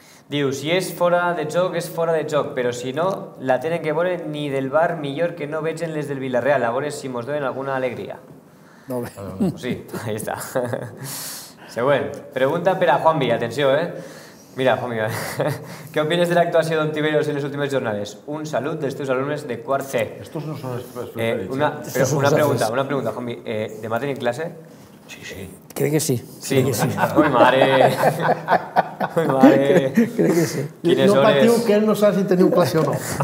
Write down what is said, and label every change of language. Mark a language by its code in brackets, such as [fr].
[ca] Diu, si és fora de joc, és fora de joc, però si no, la tenen que veure ni del VAR, millor que no vegin les del Villarreal. A veure si mos donen alguna alegria. No, bé. Sí, [es] ahí está. [ca] Següent. Pregunta per a Juanvi, atenció, eh? [es] Mira, Juanvi, ¿qué opinas de la actuación de Ontiveros en las últimas jornadas? [ca] Un salut dels teus alumnes de quart C. [es] Estos no son [ca] estos. Una pregunta, Juanvi. ¿Demà tenim classe? Sí, sí. Crec que sí. Sí, crec que sí. Ui, mare. Ui, mare. Crec que sí. Quines hores? No patiu que ell no sap si teniu classe o no.